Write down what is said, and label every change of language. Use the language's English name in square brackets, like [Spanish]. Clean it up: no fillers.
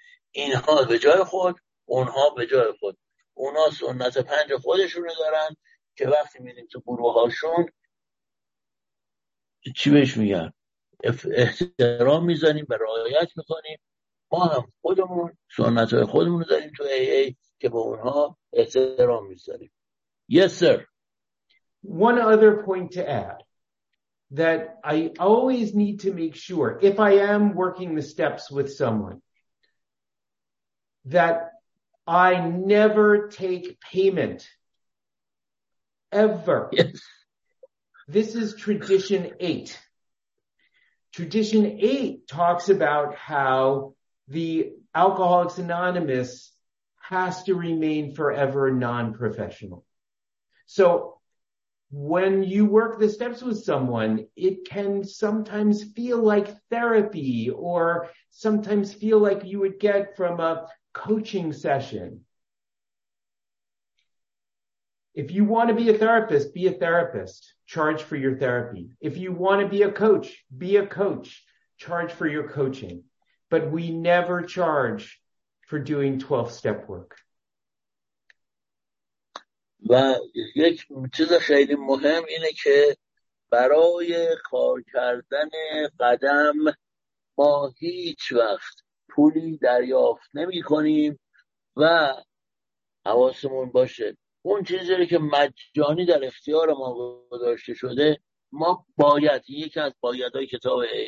[Persian] اینها به جای خود، اونها به جای خود، اونا سنت پنج خودشون رو دارن که وقتی میریم تو گروه هاشون چی بهش میگن؟ احترام میذاریم و رعایت میکنیم. ما هم خودمون سنت های خودمون رو داریم تو AA که به اونها احترام میذاریم. [English] Yes, sir. One other point to add that I always need to make sure, if I am working the steps with someone, that I never take payment, ever. Yes. This is tradition 8. Tradition 8 talks about how the Alcoholics Anonymous has to remain forever non-professional. So when you work the steps with someone, it can sometimes feel like therapy, or sometimes feel like you would get from a coaching session. If you want to be a therapist, be a therapist. Charge for your therapy. If you want to be a coach. Charge for your coaching. But we never charge for doing 12-step work. [Persian] و یک چیز خیلی مهم اینه که برای کار کردن قدم ما هیچ وقت پولی دریافت نمی کنیم و حواسمون باشه اون چیزی که مجانی در اختیار ما گذاشته شده، ما باید، یکی از بایدهای کتاب